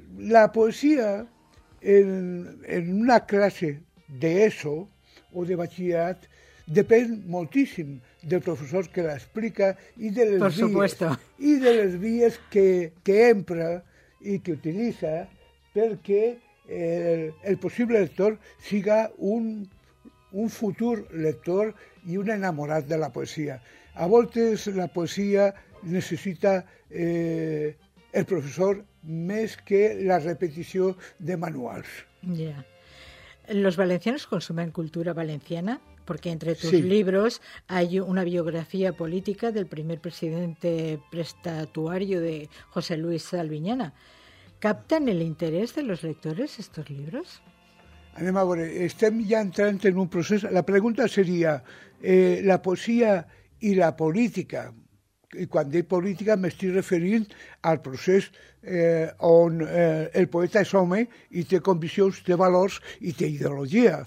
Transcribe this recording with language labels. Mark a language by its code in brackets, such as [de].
[ca] La poesia en una classe d'ESO o de batxillerat depèn moltíssim del professor que l'explica i de les vies, que empra i que utilitza perquè [es] el posible lector siga un futuro lector y un enamorado de la poesía. [ca] A voltes [es] la poesía necesita el profesor [ca] més que la repetició de manuals. Ja. Yeah. [es] ¿Los valencianos consumen cultura valenciana? Porque entre tus libros hay una biografía política del primer presidente prestatuario de José Luis Salviñana. ¿Captan el interés de los lectores estos libros? [ca] Anem a veure, estem ja entrant en un procés. La pregunta seria, la poesia i la política, i quan dic política m'estic referint al procés on el poeta és home i té convicions, té valors i té ideologia.